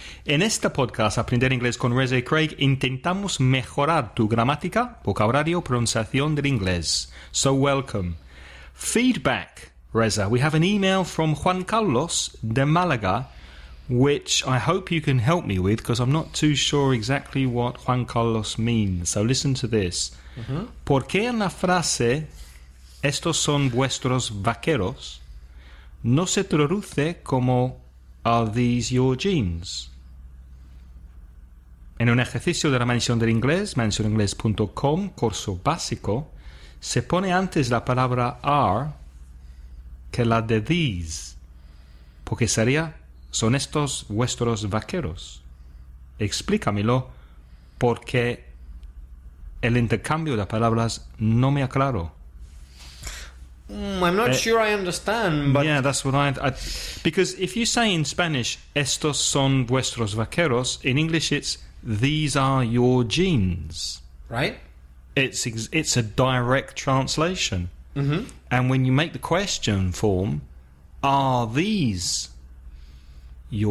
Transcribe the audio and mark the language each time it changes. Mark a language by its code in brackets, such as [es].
[es] En este podcast, Aprender Inglés con Reza y Craig, intentamos mejorar tu gramática, vocabulario, pronunciación del inglés. [en] So, welcome. Feedback. Reza, we have an email from Juan Carlos de Málaga, which I hope you can help me with, because I'm not too sure exactly what Juan Carlos means. So listen to this. [es] Mm-hmm. ¿Por qué en la frase, estos son vuestros vaqueros, no se traduce como, [en] are these your jeans? [es] En un ejercicio de la mención del inglés, mencioninglés.com, curso básico, se pone antes la palabra are, que la de these, porque sería, son estos vuestros vaqueros. Explícamelo, porque el intercambio de palabras no me aclaro. [en] I'm not sure I understand, but... Yeah, that's what because if you say in Spanish, [es] estos son vuestros vaqueros, [en] in English it's, these are your jeans. Right. It's a direct translation. Mm-hmm. And when you make the question form, are these your...